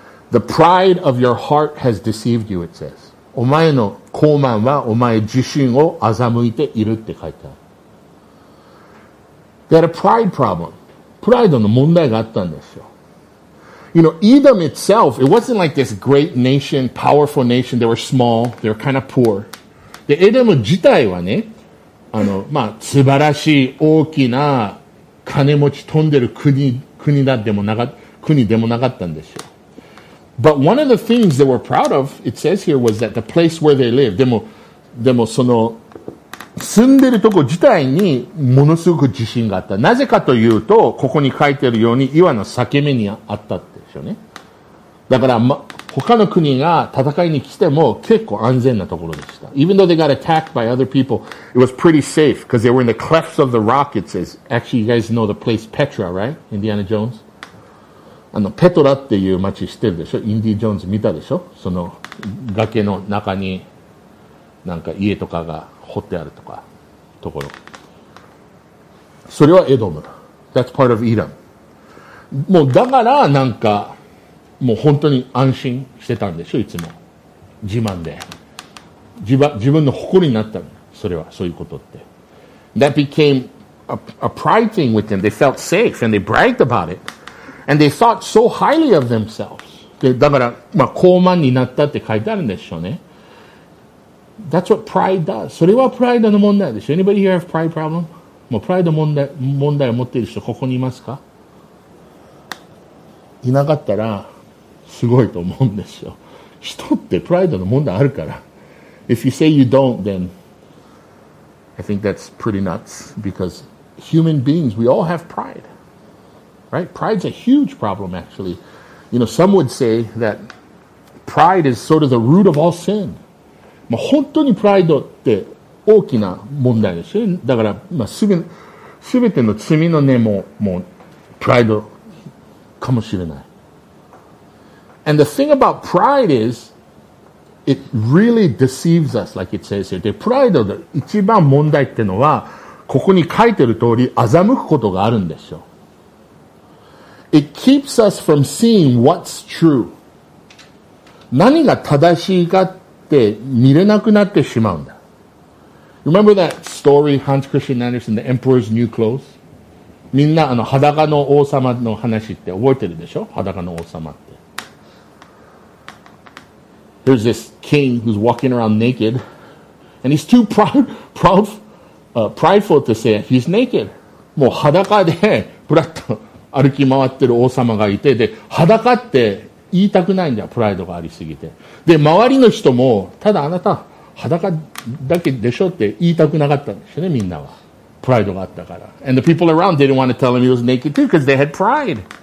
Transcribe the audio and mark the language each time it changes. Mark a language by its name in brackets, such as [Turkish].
[English] The pride of your heart has deceived you, it says. [Japanese] お前の高慢はお前自身を欺いているって書いてある。 [English] They had a pride problem. [Japanese] プライドの問題があったんですよ。 [English] You know, Edom itself, it wasn't like this great nation, powerful nation. They were small. They were kind of poor. [Japanese] で、エドム自体はね、まあ、素晴らしい大きな金持ち飛んでる国でもなかったんですよ。 [English] But one of the things they were proud of, it says here, was that the place where they lived. [Japanese] でも、その、住んでるとこ自体にものすごく自信があった。なぜかというと、ここに書いてるように岩の裂け目にあったでしょうね。だから、他の国が戦いに来ても結構安全なところでした。 [English] Even though they got attacked by other people, it was pretty safe because they were in the clefts of the rock, it says. Actually, you guys know the place Petra, right? Indiana Jones? [Japanese] ペトラっていう街知ってるでしょ？インディ・ジョーンズ見たでしょ？その崖の中になんか家とかが掘ってあるとか、ところ。それはエドム。 [English] That's part of Edom. [Japanese] もうだからなんか、もう本当に安心してたんでしょ、いつも。自慢で。自分の誇りになったの。それは、そういうことって。 [English] That became a pride thing with them. They felt safe and they bragged about it. And they thought so highly of themselves. [Japanese] で、だから、まあ、高慢になったって書いてあるんでしょうね。 [English] That's what pride does. [Japanese] それはプライドの問題でしょ。 [English] Anybody here have pride problem? [Japanese] もうプライド問題を持っている人ここにいますか？いなかったらすごいと思うんですよ。人ってプライドの問題あるから。 [English] If you say you don't, then I think that's pretty nuts because human beings, we all have pride. Right? Pride's a huge problem actually. You know, some would say that pride is sort of the root of all sin. [Japanese] まあ、本当にプライドって大きな問題ですよ。だから、まあ、すべての罪の根もうプライドかもしれない。 [English] And the thing about pride is, it really deceives us, like it says here. [Japanese] で、プライドの一番問題ってのは、ここに書いてる通り、欺くことがあるんですよ。 [English] It keeps us from seeing what's true. [Japanese] 何が正しいかで見れなくなってしまうんだ。 [English] Remember that story, Hans Christian Andersen, The Emperor's New Clothes? [Japanese] みんな裸の王様の話って覚えてるでしょ？裸の王様って。 [English] There's this king who's walking around naked, and he's too prideful to say he's naked. [Japanese] もう裸でブラッと歩き回ってる王様がいて、で、裸って言いたくないんだよ、プライドがありすぎて。で、周りの人も、ただあなた、裸だけでしょって言いたくなかったんですよね、みんなは。プライドがあったから。 [English] And the people around didn't want to tell him he was naked too, because they had pride.